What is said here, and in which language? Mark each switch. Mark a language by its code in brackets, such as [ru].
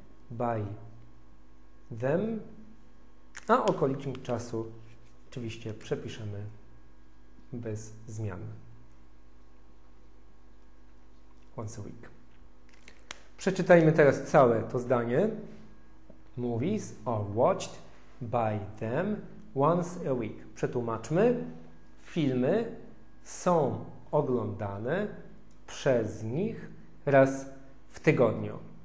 [en] By them. [pl] A okolicznik czasu oczywiście przepiszemy bez zmian. [en] Once a week. [pl] Przeczytajmy teraz całe to zdanie. [en] Movies are watched by them once a week. [pl] Przetłumaczmy. Filmy są oglądane przez nich raz w tygodniu.